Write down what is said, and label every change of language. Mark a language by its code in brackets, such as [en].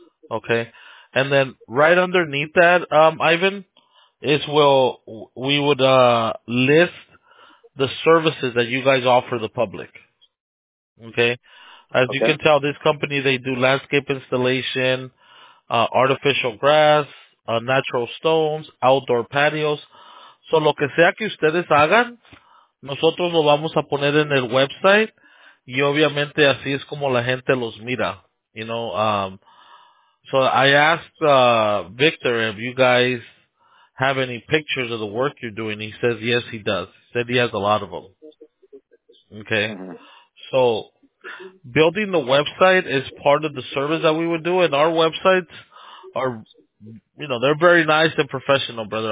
[en] Okay, and then right underneath that, Ivan, is we would list the services that you guys offer the public. Okay, you can tell, this company, they do landscape installation, artificial grass, natural stones, outdoor patios. [es] So lo que sea que ustedes hagan, nosotros lo vamos a poner en el website, y obviamente así es como la gente los mira. [en] So I asked Victor if you guys have any pictures of the work you're doing. He says, yes, he does. He said he has a lot of them. Okay. So building the website is part of the service that we would do, and our websites are, you know, they're very nice and professional, brother.